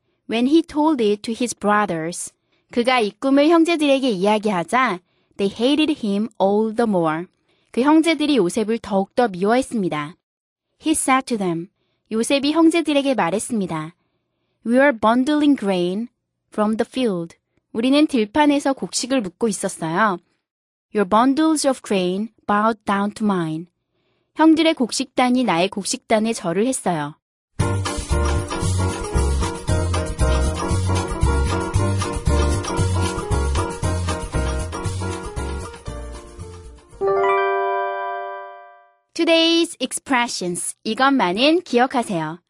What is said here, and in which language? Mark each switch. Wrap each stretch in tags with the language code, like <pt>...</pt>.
<en>When he told it to his brothers,</en> <ko>그가 이 꿈을 형제들에게 이야기하자</ko> <en>They hated him all the more.</en> <ko>그 형제들이 요셉을 더욱더 미워했습니다.</ko> <en>He said to them,</en> <ko>요셉이 형제들에게 말했습니다.</ko> <en>We were bundling grain from the field.</en> <ko>우리는 들판에서 곡식을 묶고 있었어요.</ko> <en>Your bundles of grain bowed down to mine.</en> <ko>형들의 곡식단이 나의 곡식단에 절을 했어요.</ko> <en>'Today's expressions'</en> <ko>이것만은 기억하세요.</ko>